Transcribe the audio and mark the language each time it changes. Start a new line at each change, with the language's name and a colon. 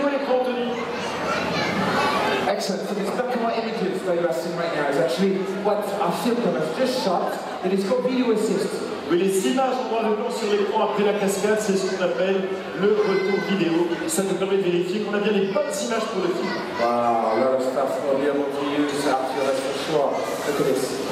English: Excellent. So this black and white images that you are seeing right now is actually what our film camera has just shot And it's called video assist.
French: Mais les images en noir et blanc sur l'écran après la cascade, c'est ce qu'on appelle le retour vidéo. Ça nous permet de vérifier qu'on a bien les bonnes images pour le film.
English: Wow, a lot of stuff for the MOTUs, Arthur, that's for sure. Look at this.